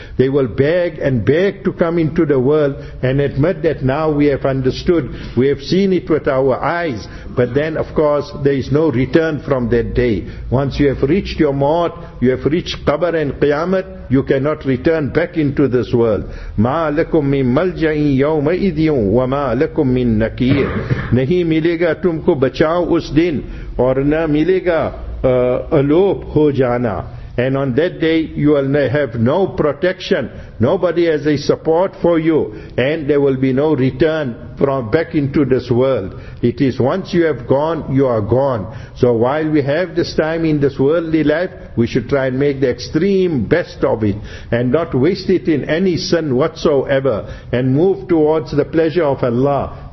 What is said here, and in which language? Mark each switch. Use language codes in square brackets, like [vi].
[en] They will beg and beg to come into the world and admit that now we have understood, we have seen it with our eyes. But then, of course, there is no return from that day. Once you have reached your maut, you have reached qabr and qiyamah, you cannot return back into this world. [ar] مَا لَكُم مِن مَلْجَئِن يَوْمَئِذٍ وَمَا لَكُم مِن نَكِير. [ur] نہیں ملے گا تم کو بچاؤ اس دن اور نہ ملے گا الوپ ہو جانا. [en] And on that day, you will have no protection. Nobody has a support for you. And there will be no return from back into this world. It is once you have gone, you are gone. So while we have this time in this worldly life, we should try and make the extreme best of it and not waste it in any sin whatsoever, and move towards the pleasure of Allah.